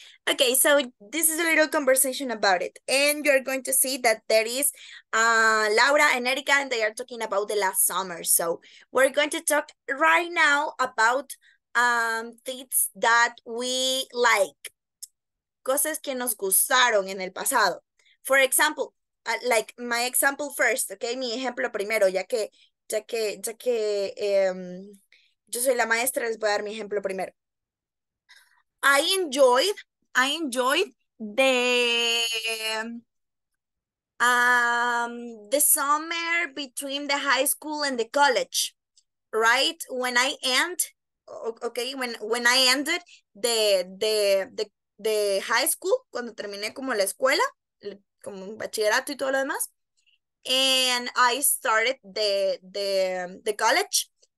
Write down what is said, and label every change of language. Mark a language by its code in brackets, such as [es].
[en] Okay, so this is a little conversation about it. And you're going to see that there is Laura and Erica, and they are talking about the last summer. So we're going to talk right now about things that we like. [es] Cosas que nos gustaron en el pasado. [en] For example, like my example first, okay? [es] Mi ejemplo primero, ya que yo soy la maestra, les voy a dar mi ejemplo primero. [en] I enjoyed the summer between the high school and the college, right? When I ended the high school, [es] cuando terminé como la escuela, como un bachillerato y todo lo demás, [en] and I started the college.